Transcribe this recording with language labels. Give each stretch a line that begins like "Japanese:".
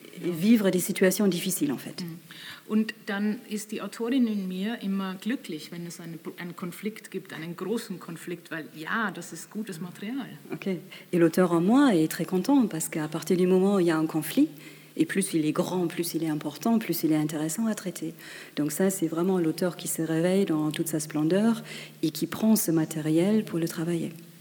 French: vivre des situations difficiles, en fait.
German: Und dann ist die Autorin in mir immer glücklich, wenn es einen Konflikt gibt, einen großen Konflikt, weil ja, das ist gutes Material. Okay.
French: Et l'auteur en moi est très content, parce qu'à partir du moment où il y a un conflit, et plus il est grand, plus il est important, plus il est intéressant à traiter. Donc ça, c'est vraiment l'auteur qui se réveille dans toute sa splendeur et qui prend ce matériel pour le travailler.